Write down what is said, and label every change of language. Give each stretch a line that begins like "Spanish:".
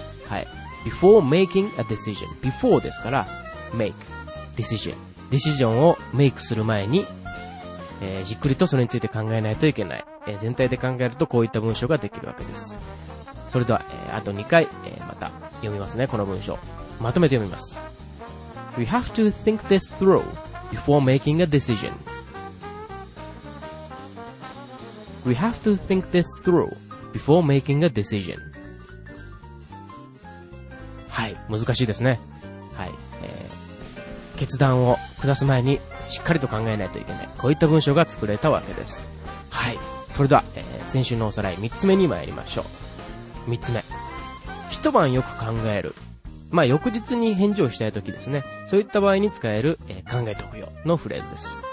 English: はい。before making a decision。 before
Japanese: ですから、
English: make。decision。
Japanese: ディシジョンをメイクする前に、じっくりとそれについて考えないといけない。全体で考えるとこういった文章ができるわけです。それでは、あと2回、また読みますね。この文章まとめて読みます。
English: We have to think this through before making a decision. We have to think this through before making a decision.
Japanese: はい、難しいですね。はい、決断を下す前にしっかりと考えないといけない、こういった文章が作れたわけです。はい、それでは、先週のおさらい3つ目に参りましょう。 3つ目、一晩よく考える。まあ翌日に返事をしたいときですね、そういった場合に使える、考えておくよのフレーズです。